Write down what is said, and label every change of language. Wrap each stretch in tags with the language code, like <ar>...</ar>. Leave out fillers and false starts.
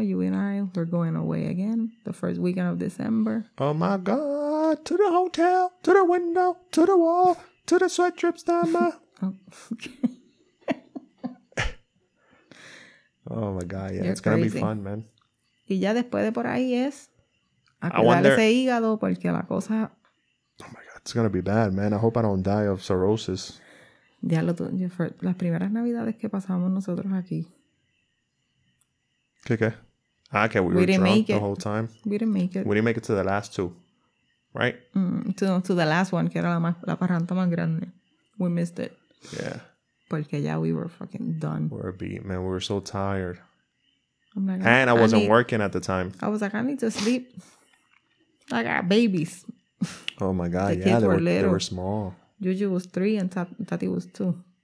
<en>You and I, we're going away again. The first weekend of December. Oh my God. To the hotel. To the window. To the wall. To the sweat trip stand by. Oh my God. Yeah, it's gonna be fun, man.</en> <es>Y ya después de por ahí es. A cuidar ese hígado porque la cosa...</es> <en>Oh my God, it's gonna be bad, man. I hope I don't die of cirrhosis.</en> <es>Las primeras navidades que pasamos nosotros aquí. ¿Qué?</es> <en>Ah, okay, we were drunk the whole time. We didn't make it. We didn't make it to the last two, right? To the last one,</en> <es>que era la parranda más grande.</es> <en>We missed it. Yeah.</en> <es>Porque ya</es> <en>we were fucking done. We were beat, man. We were so tired. I wasn't working at the time. I was like, I need to sleep. I got babies. Oh my God. The kids were little. They were small. Juju was 3 and Tati was 2.</en>